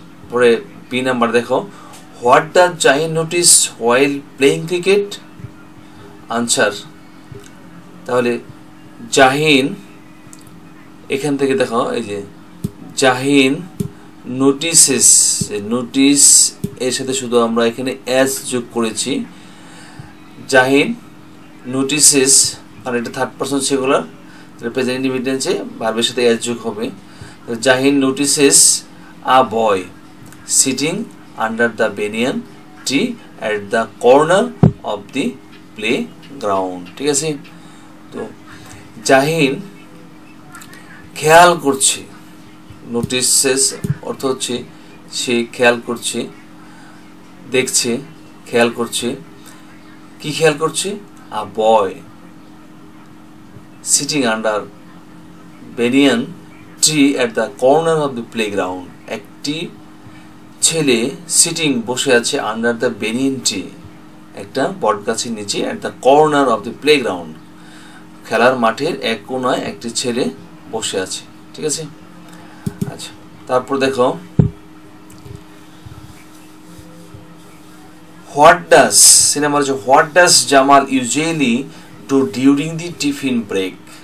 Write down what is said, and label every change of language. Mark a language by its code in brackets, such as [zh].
[bn] পরে B number দেখো, [en] what does Zahin notice while playing cricket, [bn] answer তাহলে জাহিন, এখান থেকে দেখো এই যে জাহিন নোটিসেস, নোটিস এর সাথে শুধু আমরা এখানে অ্যাজ যোগ করেছি, জাহিন নোটিসেস আর এটা থার্ড পার্সন সিঙ্গুলার, প্রেজেন্ট ইন্ডিপেন্ডেন্সে ভার্বের সাথে অ্যাজ যোগ হবে। [en] Zahin notices a boy sitting under the banyan tree at the corner of the playground. [bn] ঠিক আছে? তো জাহিন খেয়াল করছে, notices অর্থ হচ্ছে সে খেয়াল করছে, দেখছে, খেয়াল করছে, কি খেয়াল করছে? [en] A boy sitting under banyan tree at the corner of the playground. [bn] একটি ছেলে sitting বসে আছে [en] under the banyan tree, [bn] একটা বট গাছের নিচে, [en] at the corner of the playground, [bn] খেলার মাঠের এক কোণায় একটি ছেলে বসে আছে. ঠিক আছে? আচ্ছা, তারপর দেখো, [en] what does সিনেমার যে what does Jamal usually do during the tiffin break,